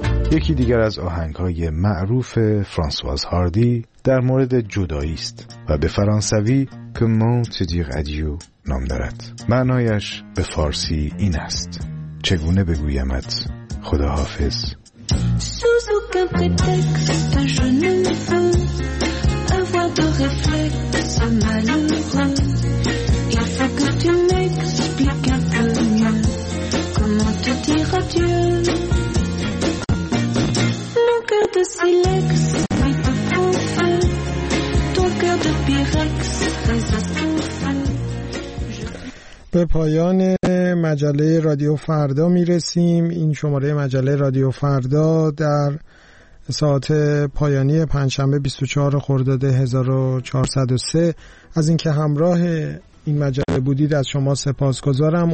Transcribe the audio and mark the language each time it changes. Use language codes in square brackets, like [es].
[fa] یکی دیگر از آهنگ‌های معروف فرانسواز هاردی در مورد جدایی است و به فرانسوی Comment te dire adieu نام دارد. معنایش به فارسی این است: چگونه بگویمت خداحافظ. [fr] Sous aucun prétexte je ne veux avoir de réflexes malheureux. Il faut que tu m'expliques un peu mieux comment te dire adieu. Mon cœur de silex est un peu feu. Ton cœur de pyrex résiste. [fa] به پایان مجله رادیو فردا می رسیم. این شماره مجله رادیو فردا در ساعت پایانی پنجشنبه 24 خرداد 1403. از اینکه همراه این مجله بودید از شما سپاسگزارم.